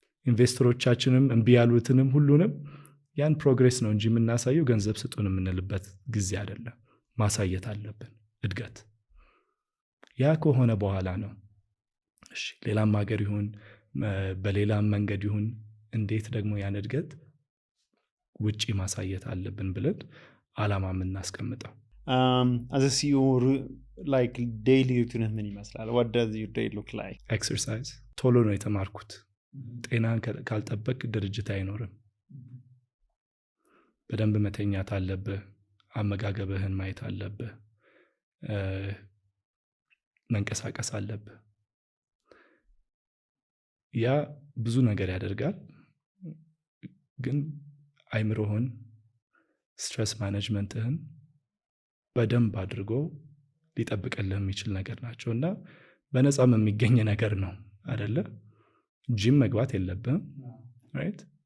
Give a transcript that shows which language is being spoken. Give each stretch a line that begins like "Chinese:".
Amharic: ኢንቨስተሮቻችንም እንብያሉትንም ሁሉንም ያን ፕሮግረስ ነው እንጂ ምናሳየው ገንዘብ ስጡን ምንልበት ጊዜ አይደለም ማሳየት አለብን እድገት ያ ከሆነ በኋላ ነው እሺ ሌላም ሀገር ይሁን በሌላም መንገድ ይሁን እንዴት ደግሞ ያነድገት ውጪ ማሳየት አለብን ብለን አላማም እናስቀምጣ
English: as a CEO like daily routine
Amharic: ምን ይመስላል
English: what does your day look like
Amharic: exercise ቶሎ ነው የተማርኩት ጤናን ካልጠበቅ ድርጅት አይኖርም በደንብ መተኛት አለብህ አመጋገብህን ማየት አለብህ መንቀሳቀስ አለብህ ያ ብዙ ነገር ያደርጋል ግን አይምሮህን ስትረስ ማኔጅመንትህን በደንብ አድርጎ ሊጠብቅልህም ይችል ነገር ናቸው እና በነፃም የሚገኝ ነገር ነው አይደለ ጂም መግባት የለብህም ራይት